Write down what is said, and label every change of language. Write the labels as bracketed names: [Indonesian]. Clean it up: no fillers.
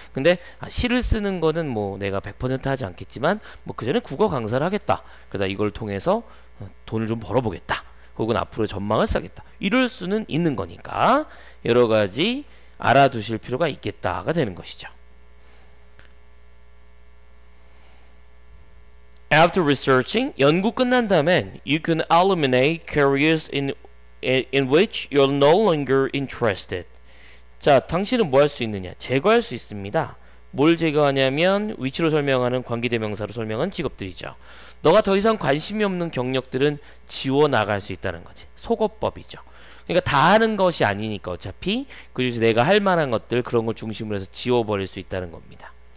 [Korean] 근데 아, 시를 쓰는 거는 뭐 내가 100% 하지 않겠지만 뭐 그 전에 국어 강사를 하겠다. 그러다 이걸 통해서 돈을 좀 벌어보겠다. 혹은 앞으로 전망을 쌓겠다. 이럴 수는 있는 거니까 여러 가지 알아두실 필요가 있겠다가 되는 것이죠. [English] After researching, [Korean] 연구 끝난 다음에 [English] you can eliminate careers in which you're no longer interested. [Korean] 자, 당신은 뭐 할 수 있느냐? 제거할 수 있습니다. 뭘 제거하냐면 which로 설명하는 관계대명사로 설명한 직업들이죠. 너가 더 이상 관심이 없는 경력들은 지워나갈 수 있다는 거지. 속어법이죠. 그러니까 다 하는 것이 아니니까 어차피 그중에 내가 할 만한 것들 그런 걸 중심으로 해서 지워버릴 수 있다는 겁니다.